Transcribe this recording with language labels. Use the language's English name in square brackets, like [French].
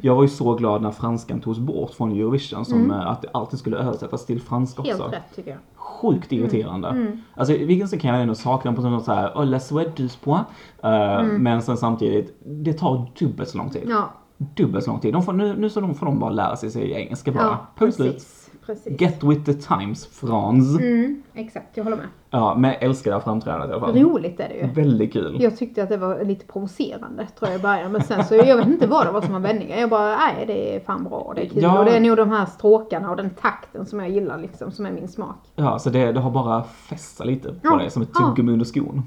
[Swedish] Jag var ju så glad när franskan togs bort från Eurovision. Som att det alltid skulle översättas till franska också. Helt rätt tycker jag. Sjukt irriterande. Alltså vilken sak kan jag ändå sakna på något så här [French] la suédois [Swedish] på. Men sen samtidigt det tar dubbelt så lång tid. Ja. Dubbelt så lång tid. De får nu så de får de bara lära sig engelska bara. Ja, precis. [English] Get with the times, Franz. [Swedish] Mm, exakt, jag håller med. Ja, men jag älskar det här framträdandet i alla fall. Roligt är det ju. Väldigt kul. Jag tyckte att det var lite provocerande, tror jag, i början. Men sen så, jag vet inte vad det var som var vändningar. Jag bara, nej, det är fan bra och det är kul. Ja. Och det är nog de här stråkarna och den takten som jag gillar, liksom, som är min smak. Ja, så det har bara fästat lite på det, som ett tuggummi under skon.